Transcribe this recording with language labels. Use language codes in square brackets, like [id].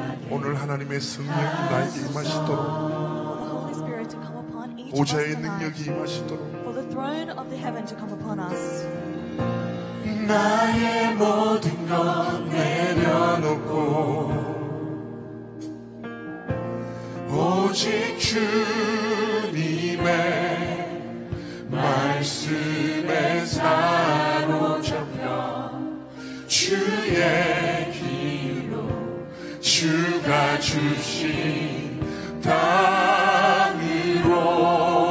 [ko] 오늘 하나님의 성령이 나에게 임하시도록 보좌의 능력이 임하시도록 [en] For the throne of the heaven to come upon us. [ko] 나의 모든 것 내려놓고 오직 주님의 말씀에 사로잡혀 주의 길로 주가 주신 땅으로